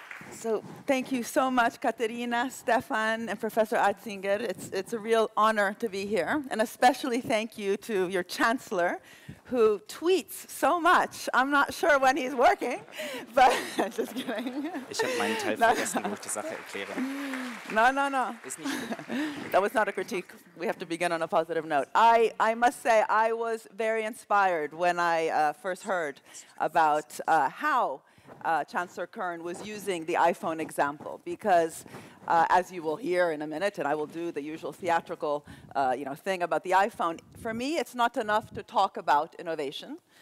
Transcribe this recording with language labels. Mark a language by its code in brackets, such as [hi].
[en] So thank you so much, Caterina, Stefan, and Professor Atzinger. It's a real honor to be here. And especially thank you to your chancellor, who tweets so much. I'm not sure when he's working, but just kidding. [de] Ich habe meinen Teil vergessen, wo ich die Sache erkläre. [en] No. That was not a critique. We have to begin on a positive note. I must say, I was very inspired when I first heard about how Chancellor Kern was using the iPhone example, because as you will hear in a minute, and I will do the usual theatrical thing about the iPhone, for me it's not enough to talk about innovation.